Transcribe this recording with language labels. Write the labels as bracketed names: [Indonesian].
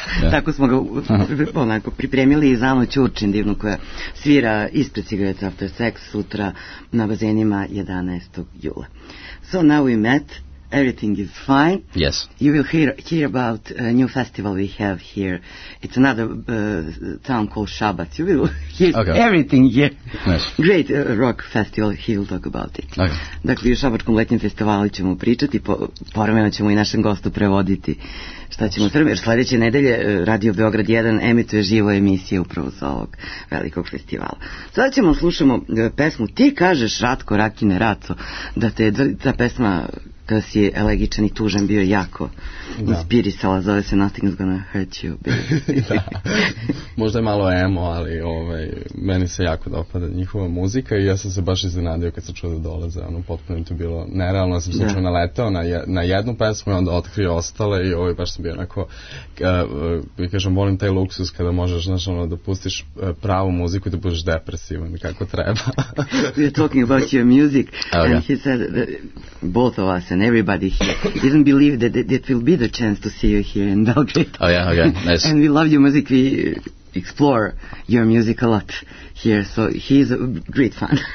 [Serbian] Tako smo ga onako pripremili i Zanu Ćurčin divnu koja svira ispred Cigarettes After Sex sutra na bazenima 11. jula. [English] So now we met, everything is fine. Yes. You will hear about a new festival we have here. It's another town called Shabbat. You will hear everything here. Nice. Great rock festival, he will talk about it. Okay. [Serbian] Dakle, u Šabatskom letnjem festivalu ćemo pričati, povremeno ćemo i našem gostu prevoditi šta ćemo srbiti, jer sledeće nedelje Radio Beograd 1 emituje živo emisije upravo za ovog velikog festivala. Sada ćemo slušamo pesmu Ti kažeš, Ratko, Rakine, Raco, da te ta pesma kada si elegičan i tužan bio jako inspirisala, zove se Nothing's Gonna Hurt You. Možda je malo emo, ali meni se jako dopada njihova muzika i ja sam se baš iznenadio kad sam čuo da dolaze, ono potpuno to bilo nerealno, ja sam slučajno naletao na jednu pesmu i onda otkrio ostale i baš sam bio onako kažem, volim taj luksus kada možeš da pustiš pravu muziku i da budeš depresivan kako treba. [English] We are talking about your music and he said both of us and everybody here didn't believe that it will be the chance to see you here in Belgrade. Oh yeah, okay, nice. And we love your music, we explore your music a lot here, so he's a great fan.